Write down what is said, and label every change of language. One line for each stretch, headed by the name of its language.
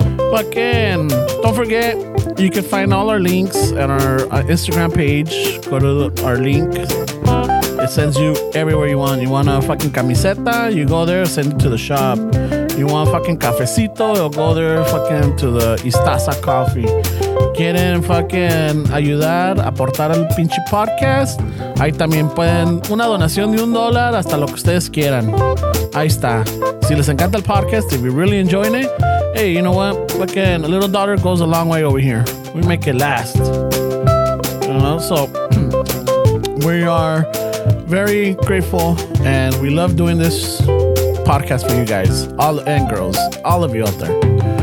English: Fucking, don't forget, you can find all our links at our Instagram page. Go to our link. It sends you everywhere you want. You want a fucking camiseta? You go there, send it to the shop. You want fucking cafecito, you'll go there fucking to the Istaza Coffee.
Spanish: Quieren fucking ayudar, aportar al pinche podcast. Ahí también pueden una donación de $1 hasta lo que ustedes quieran. Ahí está.
English: Si les encanta el podcast, if you're really enjoying it, hey, you know what? Fucking a little daughter goes a long way over here. We make it last. You know, so we are very grateful and we love doing this podcast for you guys, all and girls, all of you out there.